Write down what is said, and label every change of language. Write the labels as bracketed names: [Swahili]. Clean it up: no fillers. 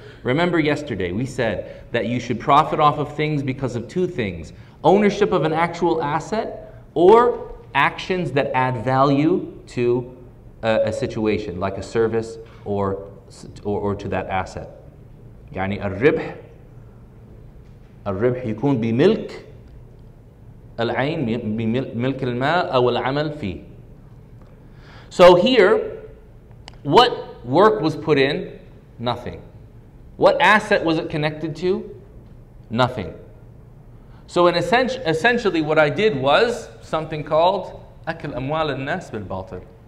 [English] Remember yesterday, we said that you should profit off of things because of two things: ownership of an actual asset or actions that add value to a situation, like a service or to that asset. [Arabic] يعني الربح الربح يكون بملك العين بملك المال أو العمل فيه. [English] So here, what work was put in? Nothing. What asset was it connected to? Nothing. So in essentially what I did was something called [Arabic] أكل أموال الناس بالباطل.